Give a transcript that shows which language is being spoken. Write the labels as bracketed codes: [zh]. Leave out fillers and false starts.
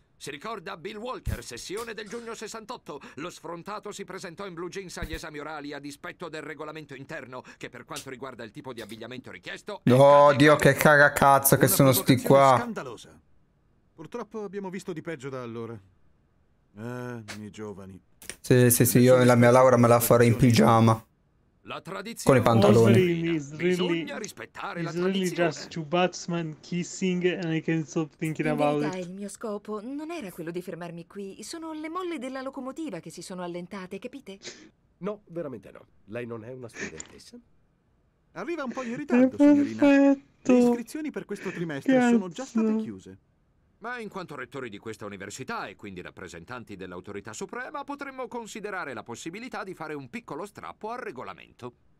[it] Si ricorda Bill Walker, sessione del giugno 68? Lo sfrontato si presentò in blue jeans agli esami orali a dispetto del regolamento interno che per quanto riguarda il tipo di abbigliamento richiesto... Oddio, che caga cazzo che sono sti qua. Scandalosa. Purtroppo abbiamo visto di peggio da allora. I giovani. Sì, sì, sì, io la mia laurea me la farei in pigiama. La tradizione con i pantaloni. [en] Really, [it] bisogna rispettare la tradizione. [en] Really just two batsmen kissing and I can't stop thinking about it. [it] Il mio scopo non era quello di fermarmi qui. Sono le molle della locomotiva che si sono allentate, capite? No, veramente no. Lei non è una studentessa. Arriva un po' in ritardo, signorina. Le iscrizioni per questo trimestre sono già state chiuse. Ma in quanto rettori di questa università e quindi rappresentanti dell'autorità suprema, potremmo considerare la possibilità di fare un piccolo strappo al regolamento.